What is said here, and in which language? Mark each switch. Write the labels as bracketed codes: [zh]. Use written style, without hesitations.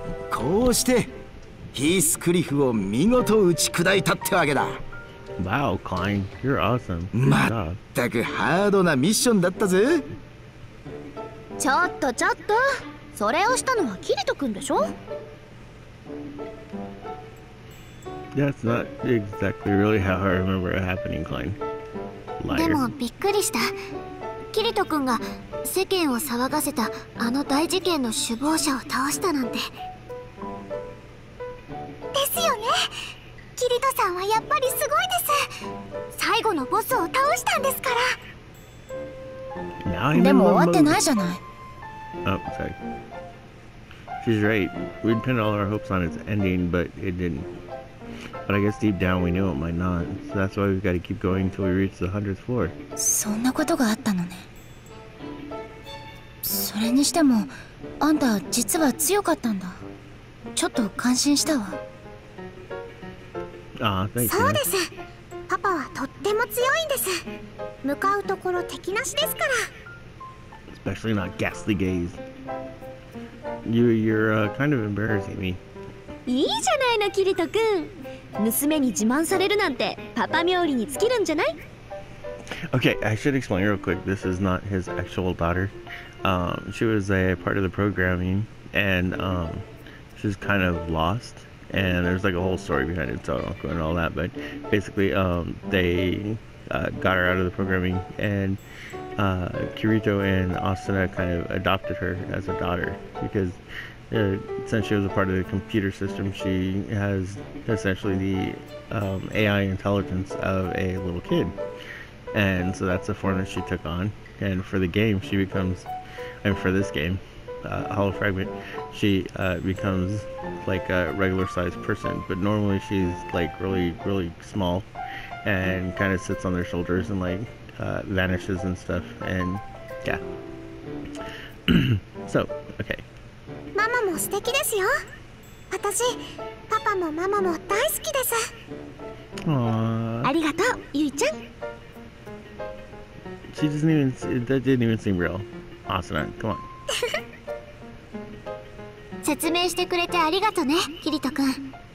[ja] こうしてヒースクリフを見事打ち砕いたってわけだ。 [en] Wow, Klein, you're awesome. [ja] まったくハードなミッションだったぜ。ちょっとちょっと、それをしたのはキリト君でしょ。 [en] That's not exactly really how I remember it happening, Klein. [ja] でもびっくりした。キリト君が世間を騒がせたあの大事件の首謀者を倒したなんて。ですよね、キリトさんはやっぱりすごいです。最後のボスを倒したんですから。でも終わってないじゃない。 [en] Oh, sorry. She's right. We pinned all our hopes on its ending, but it didn't. But I guess deep down we knew it might not. So that's why we've got to keep going until we reach the 100th floor. [ja] そんなことがあったのね。それにしても、あんた実は強かったんだ。ちょっと感心したわ。 [en] Ah, thank you. [ja] そうです。パパはとっても強いんです。向かうところ敵なしですから。 [en] Especially not ghastly gaze. You're kind of embarrassing me. [ja] いいじゃないの、キリト君。娘に自慢されるなんてパパ冥利に尽きるんじゃない。 [en] Okay, I should explain real quick. This is not his actual daughter. She was a part of the programming, and she's kind of lost. And there's like a whole story behind it, so I won't go into all that. But basically, they got her out of the programming, and Kirito and Asuna kind of adopted her as a daughter, because since she was a part of the computer system, she has essentially the AI intelligence of a little kid. And so that's the form that she took on. And for the game, she becomes, and for this game, Hollow Fragment, she becomes like a regular sized person, but normally she's like really, really small. And kind of sits on their shoulders and like vanishes and stuff. And yeah. So, okay. [ja] ママも素敵ですよ。私、パパもママも大好きです。ありがとう、ゆいちゃん。 [en] She doesn't even, that didn't even seem real. Awesome, come on. [ja] 説明してくれてありがとうね、キリト君。